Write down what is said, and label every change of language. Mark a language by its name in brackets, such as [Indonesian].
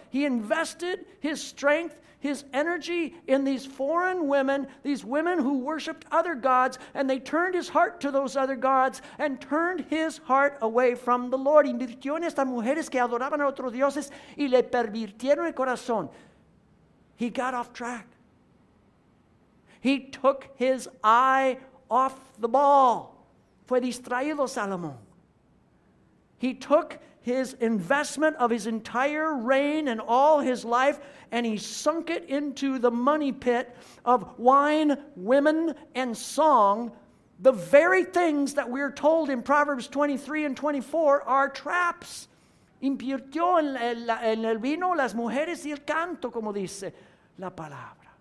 [English] He invested his strength, his energy in these foreign women, these women who worshiped other gods, and they turned his heart to those other gods and turned his heart away from the Lord. [Spanish] Invirtió en estas mujeres que adoraban a otros dioses y le pervirtieron el corazón. [English] He got off track. He took his eye off the ball. [Spanish] Fue distraído Salomón. [English] He took his investment of his entire reign and all his life, and he sunk it into the money pit of wine, women, and song. The very things that we're told in Proverbs 23 and 24 are traps. [Spanish] Invirtió en el vino, las mujeres y el canto, como dice la palabra.